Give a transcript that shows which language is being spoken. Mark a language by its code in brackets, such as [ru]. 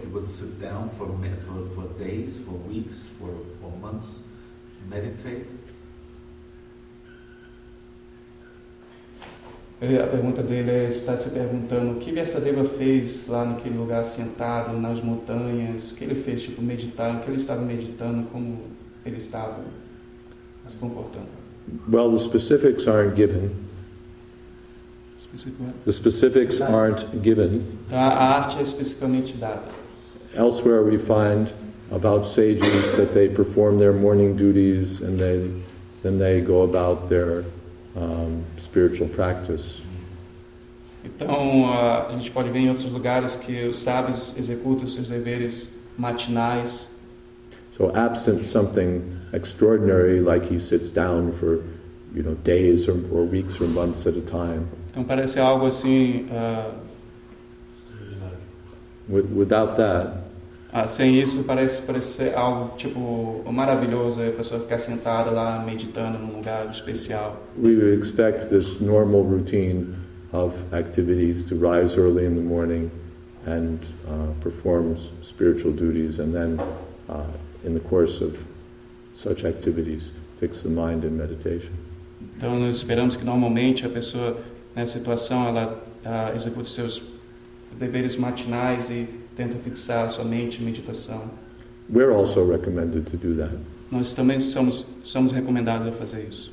[en] He would sit down for days, for weeks, for months. Meditate. [pt] A pergunta dele é, está se perguntando o que Vyasadeva fez lá naquele lugar sentado nas montanhas, o que ele fez, tipo, meditar, o que ele estava meditando, como ele estava se comportando. [en] Well, the specifics aren't given. The specifics aren't given. [pt] Então, a arte é especificamente dada. [en] Elsewhere we find about sages that they perform their morning duties and then they go about their spiritual practice. [pt] Então, a gente pode ver em outros lugares que os sábios executam seus deveres matinais. [en] So absent something extraordinary like he sits down for, you know, days or weeks or months at a time. [pt] Então parece algo assim [en] without that. [pt] Sem isso, parece ser algo tipo maravilhoso, a pessoa ficar sentada lá meditando num lugar especial. [en] We would expect this normal routine of activities to rise early in the morning and perform spiritual duties, and then in the course of such activities fix the mind in meditation. [pt] Então nós esperamos que normalmente a pessoa nessa situação ela execute seus deveres matinais e tenta fixar sua mente em meditação. [en] We're also recommended to do that. [pt] Nós também somos recomendados a fazer isso.